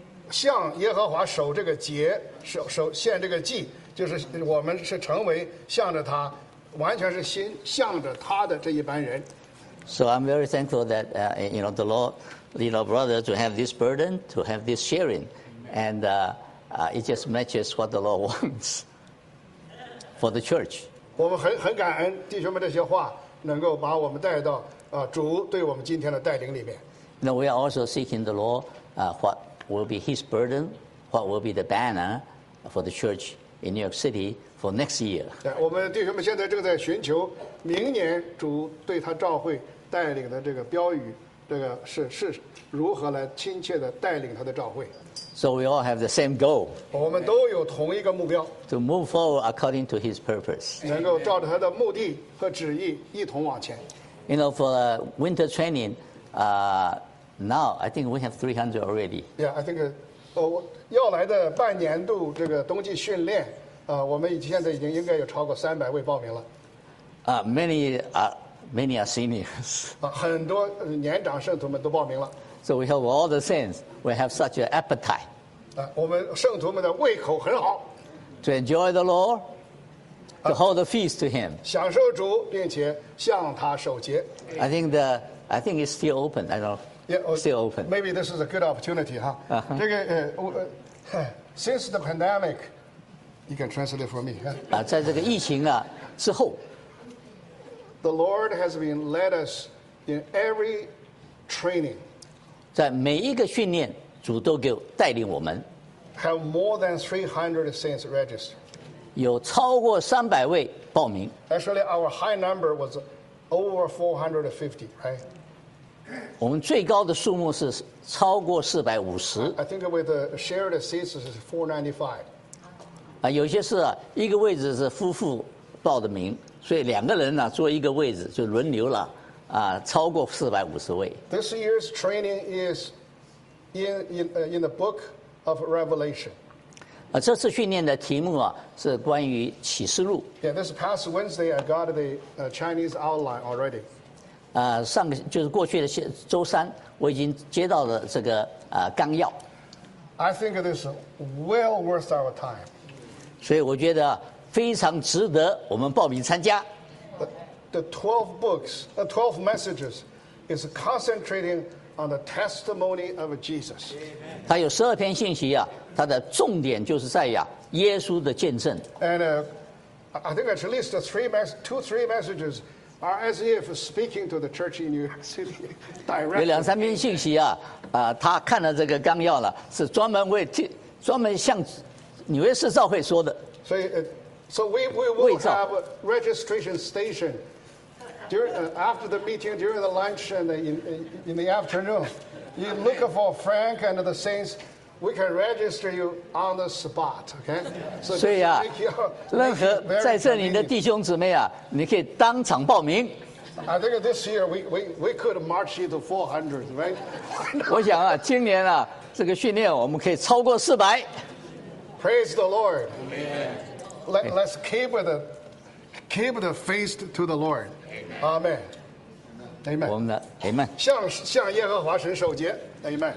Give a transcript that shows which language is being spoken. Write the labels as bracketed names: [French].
[Chinese] 向耶和华守这个节，守献这个祭，就是我们是成为向着他，完全是心向着他的这一班人。 [English] So I'm very thankful that you know the Lord. Lead our brother to have this burden, to have this sharing. And it just matches what the Lord wants for the church. [Chinese] 我们很感恩弟兄们这些话能够把我们带到主对我们今天的带领里面。 [English] Now we are also seeking the Lord, what will be his burden, what will be the banner for the church in New York City for next year. [Chinese] 我们弟兄们现在正在寻求明年主对他召会带领的这个标语。这个是如何来亲切地带领他的召会 [English] ？So we all have the same goal. [Chinese] 我们都有同一个目标。 [English] To move forward according to His purpose. [Chinese] 能够照着他的目的和旨意一同往前。 [English] You know, for winter training, now I think we have 300 already. Yeah, I think, [Chinese] 要来的半年度这个冬季训练，我们现在已经应该有超过300位报名了。 [English] Many are seniors. [Chinese] 很多年长圣徒们都报名了。 [English] So we have all the saints. We have such an appetite. [Chinese] 我们圣徒们的胃口很好。 [English] To enjoy the Lord, to hold a feast to Him. [Chinese] 享受主，并且向他守节。 [English] I think it's still open. I don't know. Yeah, still open. Maybe this is a good opportunity, huh? Uh-huh. 这个since the pandemic, you can translate it for me. [Chinese] 在这个疫情啊之后。 [English] The Lord has been led us in every training. [Chinese] 在每一个训练，主都给带领我们。 [English] Have more than 300 saints registered. [Chinese] 有超过300位报名。 [English] Actually, our high number was over 450, right? [Chinese] 我们最高的数目是超过450。 [English] I think with the shared seats is 495. [Chinese] 有些是一个位置是夫妇报的名。所以两个人呢、坐一个位置就轮流了，超过450位。 [English] This year's training is in the book of Revelation. [Chinese] 这次训练的题目啊是关于启示录。 [English] Yeah, this past Wednesday I got the Chinese outline already. [Chinese] 上个就是过去的周三我已经接到了这个纲要。 [English] I think this well worth our time. [Chinese] 所以我觉得。非常值得我们报名参加。 [English] The 12 books, the 12 messages is concentrating on the testimony of Jesus. [Chinese] 它有12篇信息啊，它的重点就是在呀耶稣的见证。 [English] And I think at least two, three messages are as if speaking to the church in New York City directly. [Chinese] 有两三篇信息啊，他看了这个纲要了，是专门为专门向纽约市教会说的。 [English] 所以，so we will have a registration station during after the meeting, during the lunch, and in the afternoon. You look for Frank and the saints. We can register you on the spot, okay? So yeah, [Chinese] 任何在这里的弟兄姊妹啊，你可以当场报名。 [English] I think this year we could march you to 400, right? [Chinese] 我想啊，今年啊，这个训练我们可以超过400。 [English] Praise the Lord. Amen. Let's keep the face to the Lord. Amen. Amen. [Chinese] 我们的 [English] Amen. [Chinese] 向耶和华神守节 Amen.